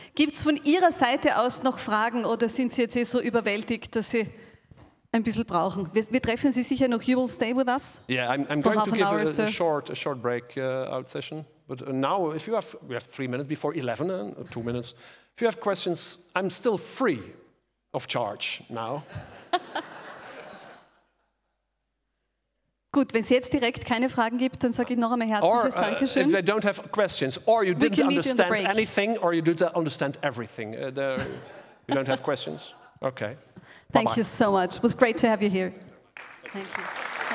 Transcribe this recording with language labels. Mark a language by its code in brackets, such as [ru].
[de] Gibt's von Ihrer Seite aus noch Fragen oder sind Sie jetzt eh so überwältigt, dass Sie ein bisschen brauchen? Wir treffen Sie sicher noch. [en] You will stay with us? Yeah, I'm going to give a short break out session. But now, if you have, we have 3 minutes before 11, 2 minutes. If you have questions, I'm still free of charge now. [de] Gut, wenn es jetzt direkt keine Fragen gibt, dann sage ich noch einmal herzliches Dankeschön. [en] If they don't have questions, or you didn't understand anything, or you didn't understand everything, you don't have questions? Okay. Thank you so much. It was great to have you here. Thank you.